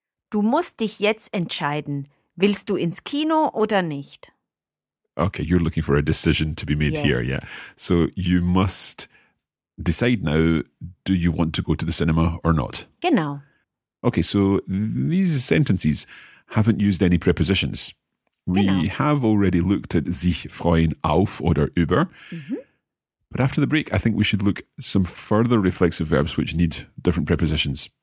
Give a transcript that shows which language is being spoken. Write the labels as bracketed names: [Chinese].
[German] Du musst dich jetzt entscheiden. Willst du ins Kino oder nicht? [English] Okay, you're looking for a decision to be made here, yeah. So you must... decide now, do you want to go to the cinema or not? [German] Genau. [English] Okay, so these sentences haven't used any prepositions. [German] Genau. [English] We have already looked at [German] sich freuen auf oder über. Mm-hmm. [English] But after the break, I think we should look at some further reflexive verbs which need different prepositions.